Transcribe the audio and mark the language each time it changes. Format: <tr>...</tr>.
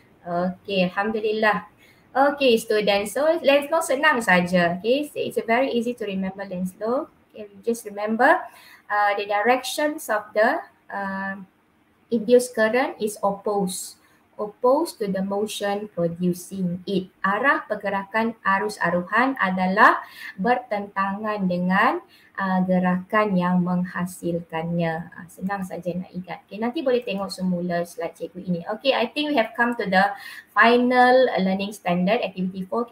<ms>Okay, alhamdulillah. Okay, students. So Lenz law senang saja.</ms> <en>Okay, so it's very easy to remember Lenz law. Okay, just remember the directions of the induced current is opposed to the motion producing it.</en> <ms>Arah pergerakan arus aruhan adalah bertentangan dengan gerakan yang menghasilkannya. Senang saja nak ingat. Okay, nanti boleh tengok semula slide cikgu ini.</ms> <en>Okay, I think we have come to the final learning standard, activity 4.</en>